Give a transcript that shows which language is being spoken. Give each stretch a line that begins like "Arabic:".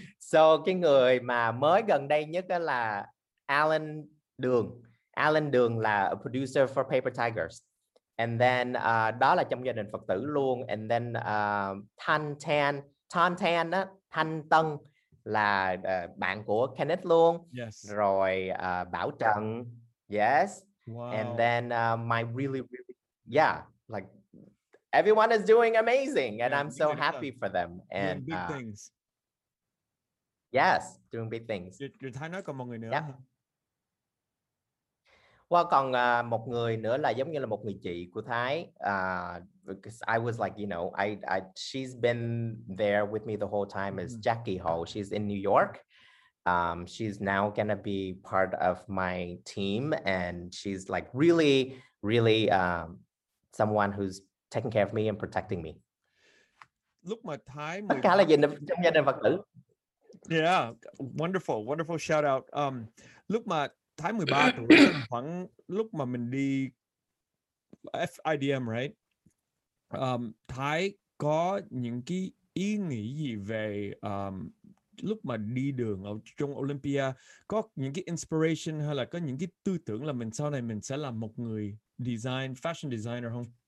Vietnamese: So cái người mà mới gần đây nhất đó là Alan Đường. Alan Đường là
English: a producer for Paper Tigers. And then
Vietnamese: đó là trong gia đình Phật tử luôn.
English: And then
Vietnamese: Tan Tan đó, Thanh Tân là bạn của Kenneth luôn.
English: Yes.
Vietnamese: Rồi Bảo Trần.
English: Yes. Wow. And then my really really yeah, like everyone is doing amazing and I'm so happy for them and doing big things. Yes, doing big things.
Vietnamese: Thái nói còn một người nữa.
English: Yeah. Well,
Vietnamese: còn một người nữa là giống như là một người chị của Thái.
English: Because I was like, you know, I she's been there with me the whole time
Vietnamese: is Jackie Ho.
English: She's in New York. She's now gonna be part of my team, and she's like really, really someone who's taking care of me and protecting me.
Vietnamese: Lúc mà Thái tất cả là trong gia đình Phật tử.
English: Yeah, wonderful, wonderful shout out.
Vietnamese: Lúc mà Thái 13 tuổi, khoảng lúc mà mình đi FIDM,
English: right?
Vietnamese: Thái có những cái ý nghĩ gì về lúc mà đi đường ở trong Olympia, có những cái inspiration hay là có những cái tư tưởng là mình sau này mình sẽ là một người design, fashion designer không?